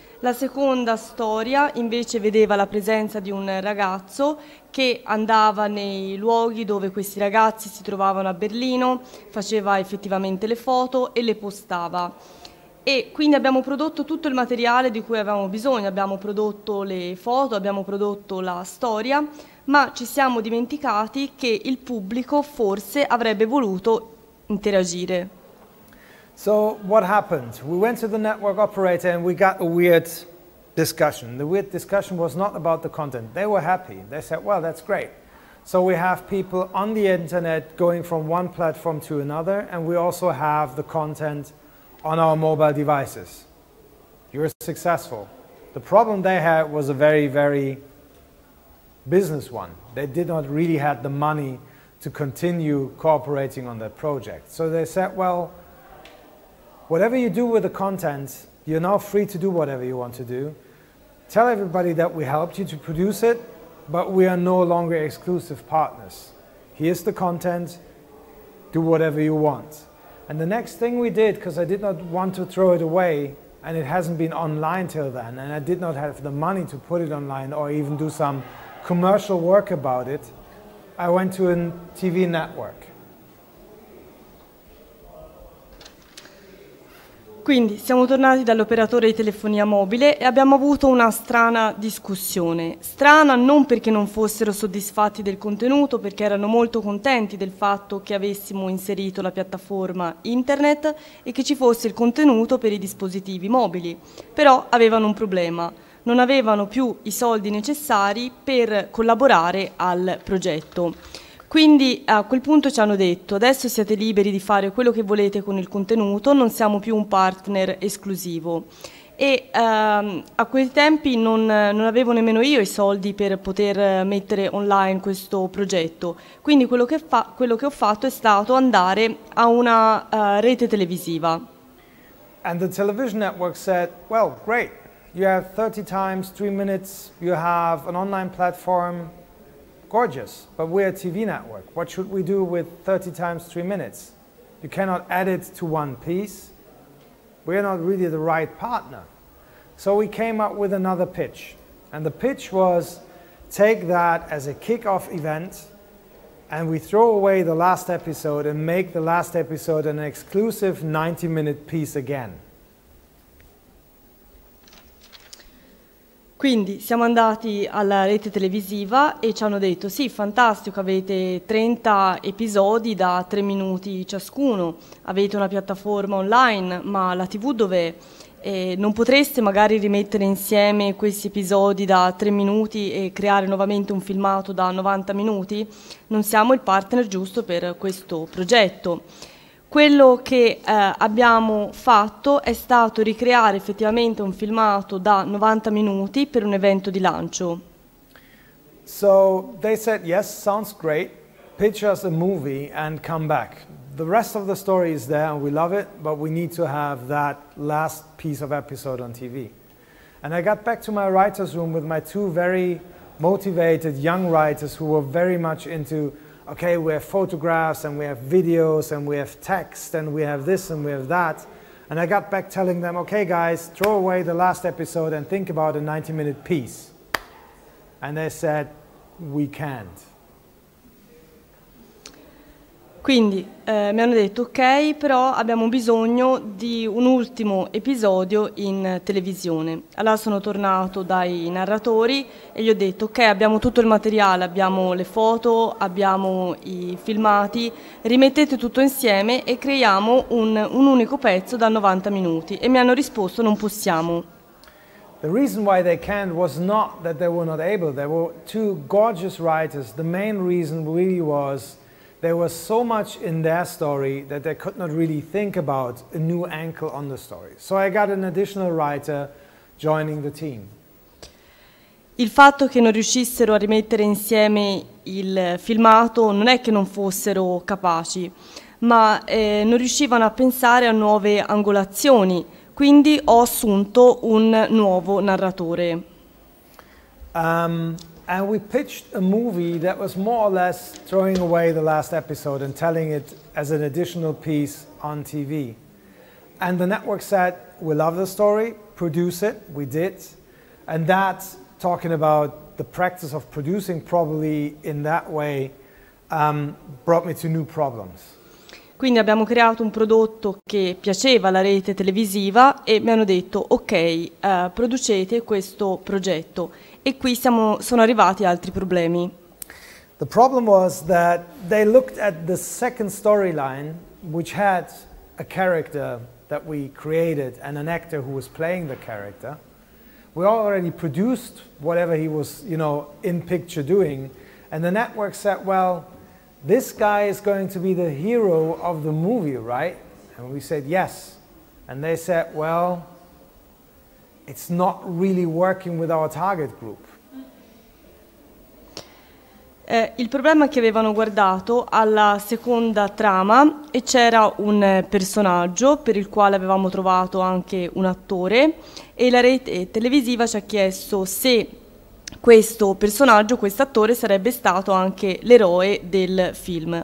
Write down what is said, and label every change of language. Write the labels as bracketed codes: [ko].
[it] La seconda storia invece vedeva la presenza di un ragazzo che andava nei luoghi dove questi ragazzi si trovavano a Berlino, faceva effettivamente le foto e le postava. E quindi abbiamo prodotto tutto il materiale di cui avevamo bisogno, abbiamo prodotto le foto, abbiamo prodotto la storia, ma ci siamo dimenticati che il pubblico forse avrebbe voluto interagire. [en] So what happened? We went to the network operator and we got a weird discussion. The weird discussion was not about the content. They were happy. They said, well, that's great. So we have people on the internet going from one platform to another, and we also have the content on our mobile devices. You're successful. The problem they had was a very, very business one. They did not really have the money to continue cooperating on that project. So they said, well, whatever you do with the content, you're now free to do whatever you want to do. Tell everybody that we helped you to produce it, but we are no longer exclusive partners. Here's the content, do whatever you want. And the next thing we did, because I did not want to throw it away, and it hasn't been online till then, and I did not have the money to put it online or even do some commercial work about it, I went to a TV network. [it] Quindi siamo tornati dall'operatore di telefonia mobile e abbiamo avuto una strana discussione. Strana non perché non fossero soddisfatti del contenuto, perché erano molto contenti del fatto che avessimo inserito la piattaforma internet e che ci fosse il contenuto per i dispositivi mobili. Però avevano un problema. Non avevano più i soldi necessari per collaborare al progetto. Quindi a quel punto ci hanno detto, adesso siete liberi di fare quello che volete con il contenuto, non siamo più un partner esclusivo. E a quei tempi non avevo nemmeno io i soldi per poter mettere online questo progetto. Quindi quello che ho fatto è stato andare a una rete televisiva. [en] And the television network said, well, great, you have 30 times 3 minutes, you have an online platform. Gorgeous, but we're a TV network. What should we do with 30 times 3 minutes? You cannot add it to one piece. We're not really the right partner. So we came up with another pitch. And the pitch was, take that as a kickoff event and we throw away the last episode and make the last episode an exclusive 90-minute piece again. [it] Quindi siamo andati alla rete televisiva e ci hanno detto sì, fantastico, avete 30 episodi da 3 minuti ciascuno, avete una piattaforma online, ma la TV dov'è? Non potreste magari rimettere insieme questi episodi da 3 minuti e creare nuovamente un filmato da 90 minuti? Non siamo il partner giusto per questo progetto. Quello che abbiamo fatto è stato ricreare effettivamente un filmato da 90 minuti per un evento di lancio. [en] So they said, yes, sounds great, pitch us a movie and come back. The rest of the story is there and we love it, but we need to have that last piece of episode on TV. And I got back to my writer's room with my two very motivated young writers who were very much into, okay, we have photographs and we have videos and we have text and we have this and we have that. And I got back telling them, okay guys, throw away the last episode and think about a 90-minute piece. And they said, we can't. [it] Quindi mi hanno detto, ok, però abbiamo bisogno di un ultimo episodio in televisione. Allora sono tornato dai narratori e gli ho detto, ok, abbiamo tutto il materiale, abbiamo le foto, abbiamo i filmati, rimettete tutto insieme e creiamo un unico pezzo da 90 minuti. E mi hanno risposto, non possiamo. [en] The reason why they can't was not that they were not able, they were two gorgeous writers. The main reason really was There was so much in their story that they could not really think about a new angle on the story. So I got an additional writer joining the team. [it] Il fatto che non riuscissero a rimettere insieme il filmato non è che non fossero capaci, ma non riuscivano a pensare a nuove angolazioni, quindi ho assunto un nuovo narratore. [en] And we pitched a movie that was more or less throwing away the last episode and telling it as an additional piece on TV. And the network said, we love the story, produce it, we did. And that, talking about the practice of producing probably in that way, brought me to new problems. [it] Quindi abbiamo creato un prodotto che piaceva alla rete televisiva e mi hanno detto, ok, producete questo progetto. E qui sono arrivati altri problemi. [en] The problem was that they looked at the second storyline, which had a character that we created and an actor who was playing the character. We already produced whatever he was, you know, in picture doing. And the network said, well, this guy is going to be the hero of the movie, right? And we said, yes. And they said, well, it's not really working with our target group. [it] Il problema è che avevano guardato alla seconda trama e c'era un personaggio per il quale avevamo trovato anche un attore e la rete televisiva ci ha chiesto se questo personaggio, questo attore, sarebbe stato anche l'eroe del film.